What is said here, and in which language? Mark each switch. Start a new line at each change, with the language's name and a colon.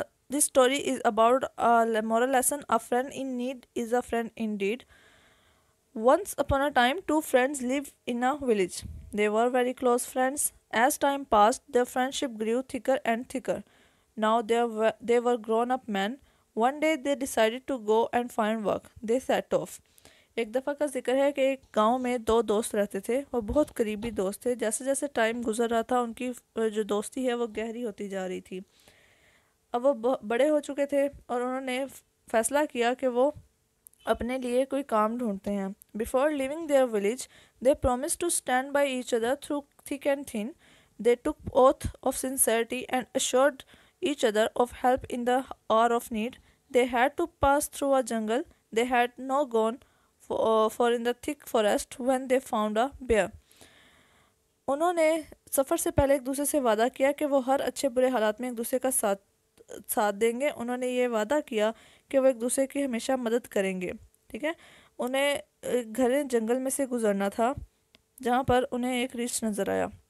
English: This story is about a moral lesson. A friend in need is a friend indeed. Once upon a time, two friends lived in a village. They were very close friends. As time passed, their friendship grew thicker and thicker. Now they were grown up men. One day they decided to go and find work. They set off.
Urdu: ایک دفعہ کا ذکر ہے کہ ایک گاؤں میں دو دوست رہتے تھے. وہ بہت قریبی دوست تھے. جیسے جیسے ٹائم گزر رہا تھا ان کی جو دوستی ہے وہ گہری ہوتی جا رہی تھی. اب وہ بڑے ہو چکے تھے اور انہوں نے فیصلہ کیا کہ وہ اپنے لیے کوئی کام ڈھونڈتے ہیں.
English: Before leaving their village they promise to stand by each other through thick and thin. They took oath of sincerity and assured each other of help in the hour of need. They had to pass through a jungle. They had no gone far in the thick forest when they found a bear.
Urdu: انہوں نے سفر سے پہلے ایک دوسرے سے وعدہ کیا کہ وہ ہر اچھے برے حالات میں ایک دوسرے کا ساتھ دیں گے. انہوں نے یہ وعدہ کیا کہ وہ ایک دوسرے کی ہمیشہ مدد کریں گے. ٹھیک ہے, انہیں گھنے جنگل میں سے گزرنا تھا جہاں پر انہیں ایک رچ نظر آیا.